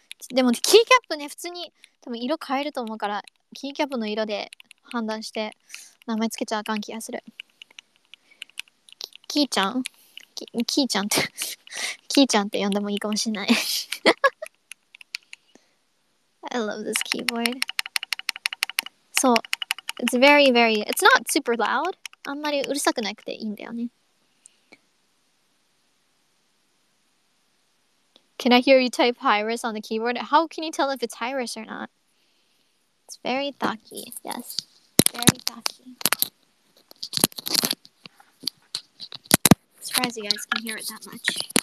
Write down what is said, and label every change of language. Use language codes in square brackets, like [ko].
[ja] でもキーキャップね、普通に多分色変えると思うから、キーキャップの色で判断して名前つけちゃあかん気がする。キーちゃん?キーちゃんってキーちゃんって呼んでもいいかもしれない [en] I love this keyboard. So, it's very, very, it's not super loud. [ja] あんまりうるさくなくていいんだよね。 [en] Can I hear you type Hyrus on the keyboard? How can you tell if it's Hyrus or not? It's very thocky, yes. Very thocky. Surprised you guys can hear it that much.